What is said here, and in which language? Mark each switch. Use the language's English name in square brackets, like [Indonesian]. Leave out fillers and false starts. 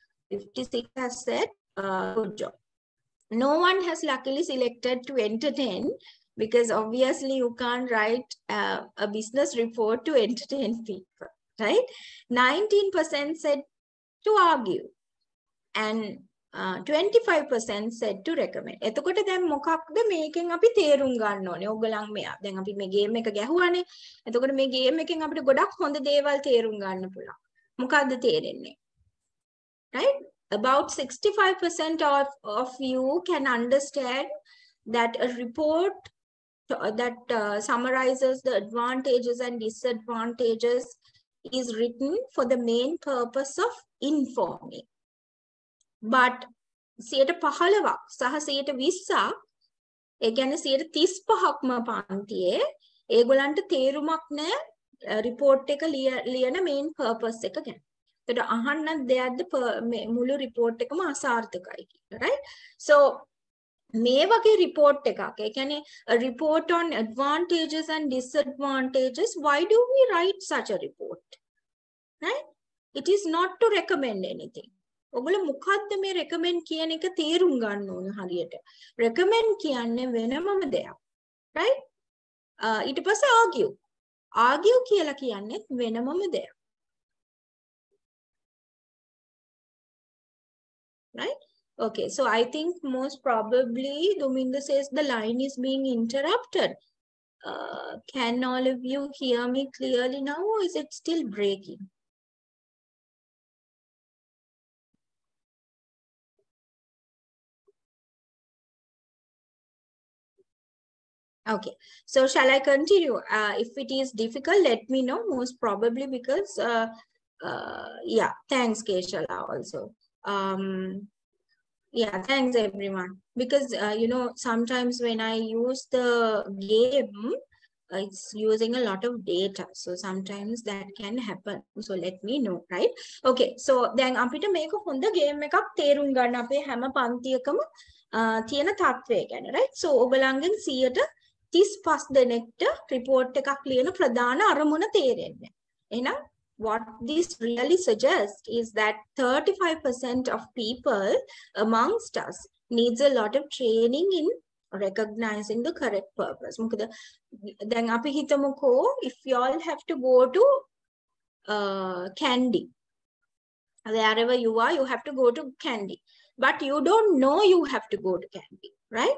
[English] 56 has said good job. No one has luckily selected to entertain, because obviously you can't write a business report to entertain people, right? 19% said to argue, and 25% said to recommend. [Sinhala] එතකොට දැන් මොකක්ද මේකෙන් අපි තේරුම් ගන්න ඕනේ? ඕගලන් මෙයා. දැන් අපි මේ ගේම් එක ගැහුවානේ. එතකොට මේ ගේම් එකෙන් අපිට ගොඩක් හොඳ දේවල් තේරුම් ගන්න පුළුවන්. මොකද්ද තේරෙන්නේ? Right? [English] About 65% of you can understand that a report that summarizes the advantages and disadvantages is written for the main purpose of informing. [Sinhala] But 15ක් සහ 20ක් ඒ කියන්නේ 35ක්ම පන්තියේ ඒගොල්ලන්ට තේරුමක් නැහැ report එක ලියන main purpose එක ගැන. ඒකට අහන්න දෙයක්ද මුළු report එකම අසාර්ථකයි කියලා, right? [English] So [Sinhala] මේ වගේ report එකක්, ඒ කියන්නේ [English] a report on advantages and disadvantages, why do we write such a report? Right? It is not to recommend anything. [Sinhala] ඔගොල්ලෝ මොකද්ද මේ recommend කියන එක තේරුම් ගන්න ඕන හරියට. Recommend කියන්නේ වෙනමම දෙයක. Right? ඊට පස්සේ argue. Argue කියලා කියන්නේ වෙනමම දෙයක්. [English] Right? Okay, so I think most probably Duminda says the line is being interrupted. Can all of you hear me clearly now, or is it still breaking? Okay, so shall I continue? If it is difficult, let me know. Most probably because, yeah, thanks Keshala also. Yeah, thanks everyone. Because, you know, sometimes when I use the game, it's using a lot of data. So sometimes that can happen. So let me know, right? [Sinhala] Okay, so then අපිට මේක හොඳ game එකක් තේරුම් ගන්න අපේ හැම පන්තියකම තියෙන තත්වය ගැන, right? So ඔබලංගෙන් 35 දෙනෙක්ට report එකක් ලියන ප්‍රධාන අරමුණ තේරෙන්නේ. [English] එහෙනම් what this really suggests is that 35% of people amongst us needs a lot of training in recognizing the correct purpose. Then [Sinhala] api hitamuko, [English] if you all have to go to candy, wherever you are, you have to go to candy, but you don't know you have to go to candy, right?